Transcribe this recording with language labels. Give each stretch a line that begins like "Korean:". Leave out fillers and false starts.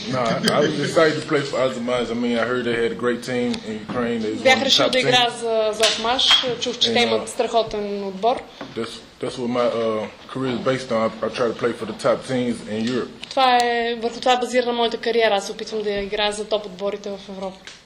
English: No, I was excited to play for Azov Marsh. I mean, I heard they had a great team in Ukraine.
Bulgarian: Бях решил да игра за Азов Марш. Чух, че те имат страхотен отбор.
English: That's what my career is based on. I try to play for the top teams in Europe.
Bulgarian: Това е върху това базирана моята кариера. Аз опитвам да играя за топ отборите в Европа.